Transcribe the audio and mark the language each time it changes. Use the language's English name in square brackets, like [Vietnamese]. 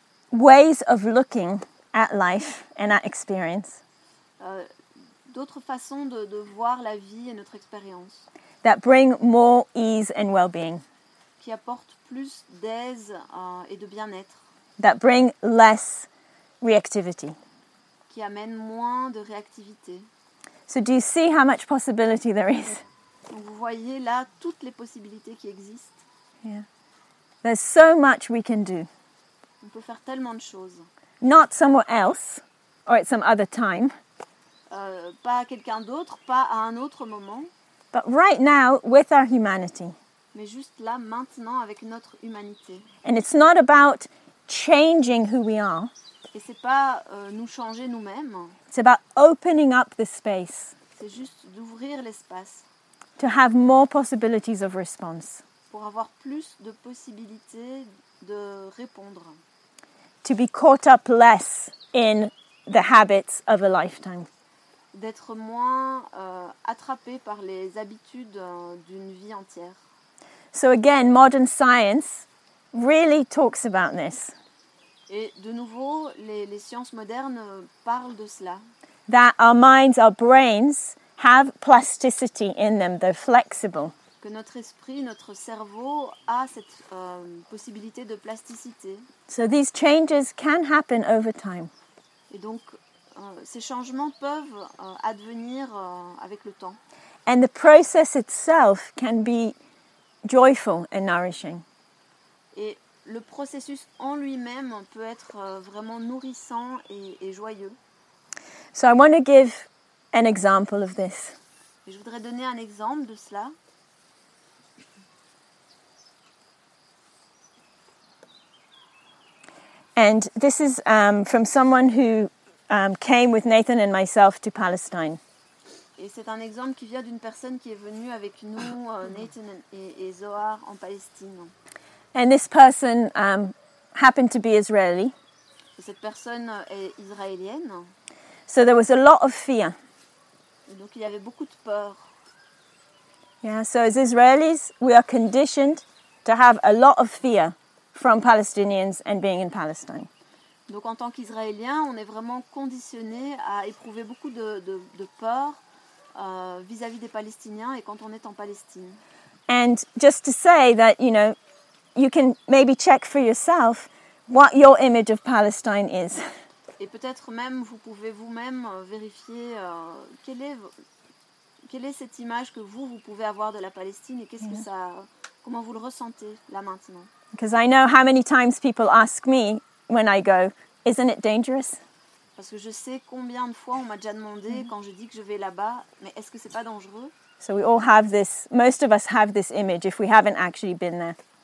[English] Ways of looking at life and at experience. [French] D'autres façons de voir la vie et notre expérience. [English] That bring more ease and well-being. [French] Qui apporte plus d'aise et de bien-être. [English] That bring less reactivity. [French] Qui amène moins de réactivité. [English] So do you see how much possibility there is? [French] Donc vous voyez là toutes les possibilités qui existent. [English] Yeah. There's so much we can do. [French] On peut faire tellement de choses. [English] Not somewhere else, or at some other time. [French] Pas à quelqu'un d'autre, pas à un autre moment. [English] But right now, with our humanity. [French] Mais juste là, maintenant, avec notre humanité. [English] And it's not about changing who we are. [French] Et c'est pas nous changer nous-mêmes. [English] It's about opening up the space. [French] C'est juste d'ouvrir l'espace. [English] To have more possibilities of response. [French] Pour avoir plus de possibilités de répondre. [English] To be caught up less in the habits of a lifetime. [French] D'être moins attrapé par les habitudes d'une vie entière. [English] So again, modern science really talks about this. [French] Et de nouveau, les sciences modernes parlent de cela. [English] That our minds, our brains, have plasticity in them. They're flexible. [French] que notre esprit, notre cerveau a cette possibilité de plasticité. [English] So these changes can happen over time. [French] Et donc ces changements peuvent advenir avec le temps. [English] And the process itself can be joyful and nourishing. [French] Et le processus en lui-même peut être vraiment nourrissant et joyeux. [English] So I want to give an example of this. [French] Et je voudrais donner un exemple de cela. [English] And this is from someone who came with Nathan and myself to Palestine. [French] Et c'est un exemple qui vient d'une personne qui est venue avec nous, Nathan et Zohar, en Palestine. [English] And this person happened to be Israeli. [French] Et cette personne est israélienne. [English] So there was a lot of fear. [French] Et donc il y avait beaucoup de peur. [English] Yeah, so as Israelis, we are conditioned to have a lot of fear from Palestinians and being in Palestine. [French] Donc en tant qu'Israéliens, on est vraiment conditionné à éprouver beaucoup de peur vis-à-vis des Palestiniens et quand on est en Palestine. [English] And just to say that, you know, you can maybe check for yourself what your image of Palestine is. [French] Et peut-être même vous pouvez vous-même vérifier quelle est cette image que vous pouvez avoir de la Palestine et qu'est-ce que ça, comment vous le ressentez là maintenant. [English] Because I know how many times people ask me when I go, isn't it dangerous? [French] Parce que je sais combien de fois on m'a déjà demandé quand je dis que je vais là-bas, mais est-ce que c'est pas dangereux? [English] So we all have this, most of us have this image if we haven't actually been there.